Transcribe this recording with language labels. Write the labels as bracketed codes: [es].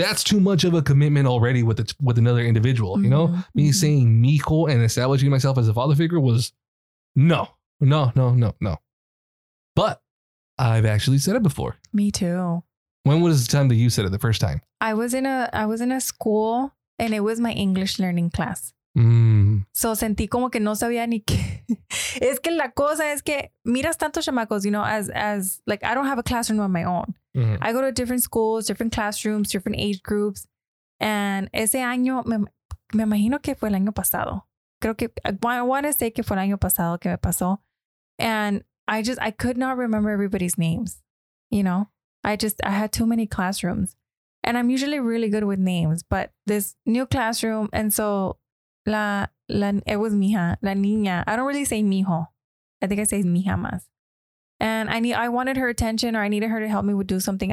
[en] That's too much of a commitment already with another individual, mm-hmm. you know? Me mm-hmm. saying mijo and establishing myself as a father figure was no. But I've actually said it before. Me too. When was the time that you said it the first time? I was in a school and it was my English learning class. Mm. [es] So sentí como que no sabía ni qué. Es que la cosa es que miras tantos chamacos, [en] you know, as like, I don't have a classroom on my own. Mm-hmm. I go to different schools, different classrooms, different age groups. And [es] ese año, me imagino que fue el año pasado. Creo que, [en] I want to say [es] que fue el año pasado que me pasó. [en] And I could not remember everybody's names, you know? I had too many classrooms. And I'm usually really good with names, but this new classroom, and so it was mija, [es] la niña. [en] I don't really say mijo. I think I say mija [es] más. [en] And I wanted her attention, or I needed her to help me with do something.